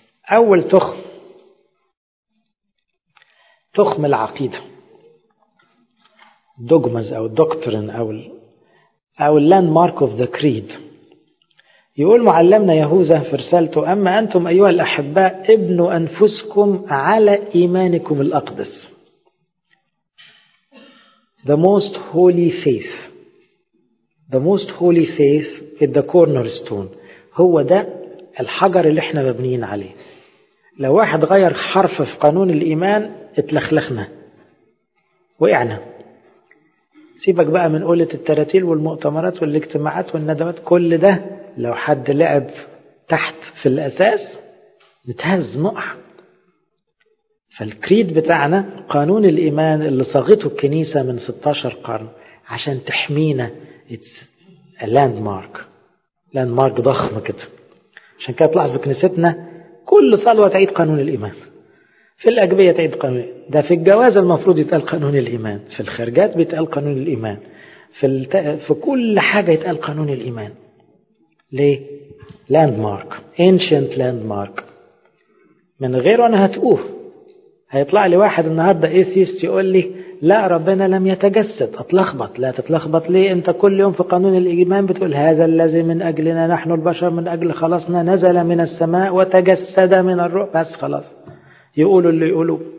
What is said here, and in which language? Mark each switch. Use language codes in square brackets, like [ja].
[ar] أول تخم، تخم العقيدة، دوغماز أو دوكترين أو [en] اللاند مارك of the creed. [ar] يقول معلمنا يهوذا في رسالته: أما أنتم أيها الأحباء ابنوا أنفسكم على إيمانكم الأقدس. [en] The most holy faith. The most holy faith is the cornerstone. [ar] هو ده الحجر اللي احنا مبنيين عليه. لو واحد غير حرف في قانون الإيمان اتلخلخنا وقعنا. سيبك بقى من قولة التراتيل والمؤتمرات والاجتماعات والندوات، كل ده لو حد لعب تحت في الأساس نتهز نقع. فالكريد بتاعنا قانون الإيمان اللي صاغته الكنيسة من 16 قرن عشان تحمينا، [en] it's a landmark، [ar] landmark ضخم كده. عشان كده تلاحظوا كنيستنا كل صلوة تعيد قانون الإيمان، في الأجبية تعيد قانون، ده في الجواز المفروض يتقال قانون الإيمان، في الخرجات بيتقال قانون الإيمان، في كل حاجة يتقال قانون الإيمان. [en] ليه؟ landmark، ancient landmark. [ar] من غيره أنا هتقوه. هيطلع لي واحد النهاردة إيثيست يقول لي لا ربنا لم يتجسد، أتلخبط. لا تتلخبط ليه؟ أنت كل يوم في قانون الإيمان بتقول هذا الذي من أجلنا نحن البشر من أجل خلاصنا نزل من السماء وتجسد من الروح، بس خلاص يقولوا اللي يقولوا.